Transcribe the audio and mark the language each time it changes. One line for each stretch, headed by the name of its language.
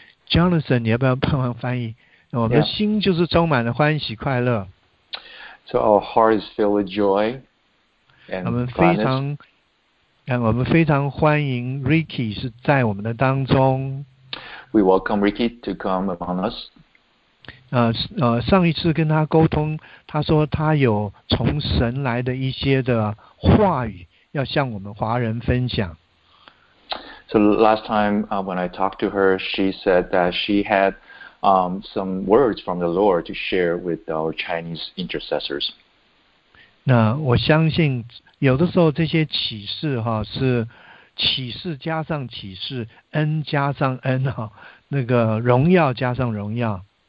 Chinese: Jonathan, 你要不要帮忙翻译？我们的心就是充满了欢喜快乐。
English: So our heart is filled with joy and
Chinese: 我们非常,
English: gladness.
Chinese: 我们非常欢迎 Ricky 是在我们的当中。
English: We welcome Ricky to come upon us.
Chinese: 上一次跟他沟通, 他说他有从神来的一些的话语要向我们华人分享。
English: So last time when I talked to her, she said that she had some words from the Lord to share with our Chinese intercessors.
Chinese: 那我相信有的时候这些启示是启示加上启示，恩加上恩，那个荣耀加上荣耀。